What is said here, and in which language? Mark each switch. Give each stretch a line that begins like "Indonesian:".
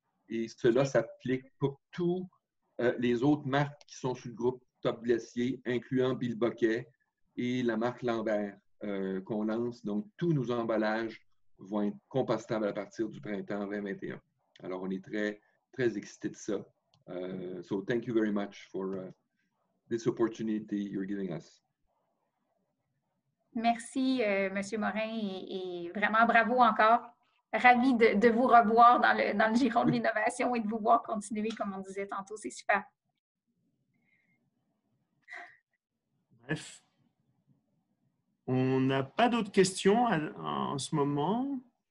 French: Et cela s'applique pour tous les autres marques qui sont sur le groupe Top Glacier, incluant Bill Bucket et la marque Lambert qu'on lance. Donc, tous nos emballages vont être compostables à partir du printemps 2021. Alors, on est très, très excités de ça.
English: So, thank you very much for this opportunity you're giving us.
French: Merci, M. Morin, et vraiment bravo encore. Ravi de vous revoir dans le giron de l'innovation et de vous voir continuer, comme on disait tantôt, c'est super. Bref. On n'a pas d'autres questions en ce moment.